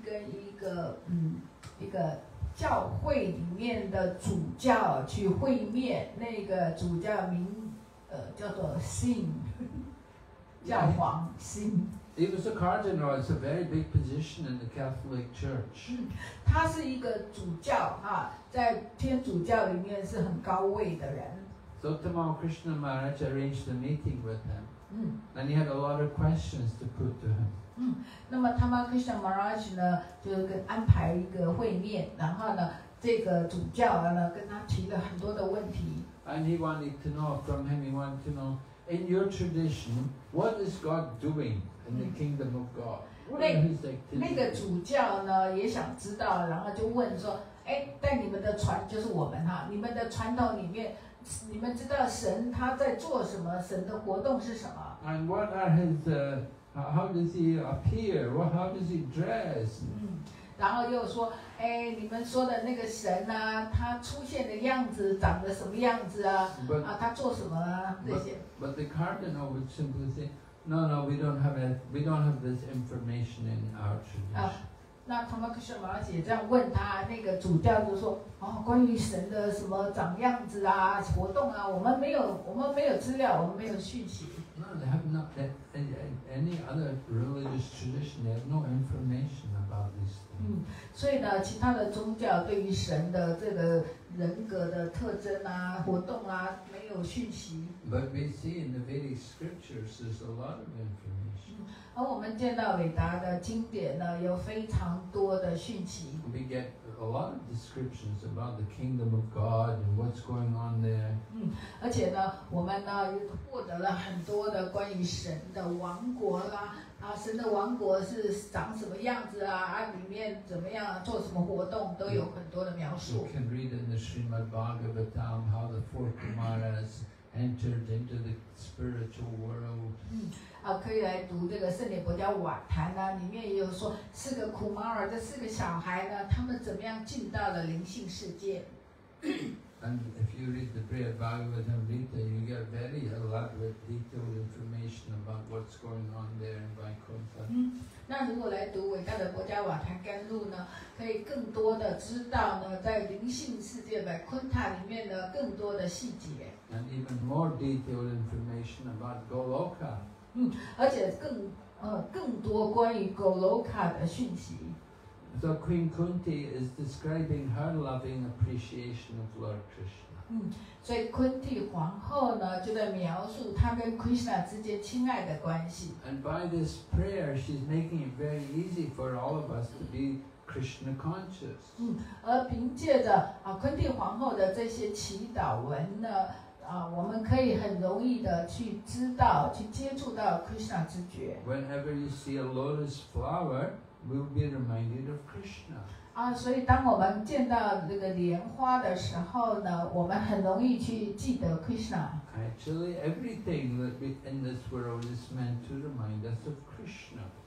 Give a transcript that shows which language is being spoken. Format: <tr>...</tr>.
<zh>S-I-N?以前呢，我曾经去过菲律宾，当时Tamal Krishna Maharaj也在那儿，那么呢，我们去跟一个 教会里面的主教去会面，那个主教名叫做Singh，教皇Singh。</zh> <en>He was a cardinal. It's a very big position in the Catholic Church.</en> <zh>他是一个主教，在天主教里面是很高位的人。</zh> <en>So Tamal Krishna Maharaj arranged a meeting with him. And he had a lot of questions to put to him.</en> <zh>那么Tamal Krishna Maharaj 呢，就安排一个会面，然后呢。这个主教呢，跟他提了很多的问题。</zh> <en>And he wanted to know from him. He wanted to know, in your tradition, what is God doing in the kingdom of God? What are his activities?</en> <zh>那个主教呢，也想知道，然后就问说，哎，在你们的传，就是我们哈，你们的传统里面，你们知道神他在做什么？神的活动是什么？</zh> <en>And what are his uh, How does he appear? How does he dress?</en> <zh>然后又说，哎，你们说的那个神啊，他出现的样子长得什么样子啊？</zh> <en>But,</en> <zh>啊，他做什么啊？这些。</zh> <en>But the cardinal would simply say, "No, no, we don't have it. We don't have this information in our tradition." 啊，</en> <zh>那他们克什马拉姐这样问他，那个主教就说，哦，关于神的什么长样子啊、活动啊，我们没有资料，我们没有讯息。</zh> <en>They have not any other religious tradition. They have no information about these things.</en> <zh>所以呢，其他的宗教对于神的这个人格的特征啊、活动啊，没有讯息。</zh> <en>But we see in the Vedic scriptures, there's a lot of information.</en> <zh>而我们见到伟达的经典呢，有非常多的讯息。</zh> <en>We get a lot of descriptions about the kingdom of God and what's going on there.</en> <zh>而且呢，我们呢又获得了很多的关于神的王国啦，啊，神的王国是长什么样子啊？啊，里面怎么样做什么活动，都有很多的描述。</zh> <en>You can read in the Srimad Bhagavatam how the four Kumaras entered into the spiritual world.</en> <zh>啊，可以来读这个《圣莲佛教瓦坛》啊，里面也有说四个 Kumara 这四个小孩呢，他们怎么样进到了灵性世界。</zh> <en>And if you read the Brihad Bhagavatamrita, you get very elaborate, detailed information about what's going on there in Vaikuntha.</en> <zh>那如果来读伟大的《薄伽瓦坛甘露》呢，可以更多的知道呢，在灵性世界Vaikuntha里面的更多的细节。</zh> <en>And even more detailed information about Goloka.</en> <zh>而且更多关于 Goloka 的讯息。</zh> <en>So Queen Kunti is describing her loving appreciation of Lord Krishna.</en> <zh>所以昆蒂皇后呢，就在描述她跟 Krishna 之间亲爱的关系。</zh> <en>And by this prayer, she's making it very easy for all of us to be Krishna conscious.</en> <zh>而凭借着啊昆蒂皇后的这些祈祷文呢，啊，我们可以很容易的去知道，去接触到 Krishna 之觉。</zh> <en>Whenever you see a lotus flower. We'll be reminded of Krishna.</en> <zh>啊，所以当我们见到这个莲花的时候呢，我们很容易去记得 Krishna.</zh> <en>Actually, everything that we in this world is meant to remind us of Krishna.</en>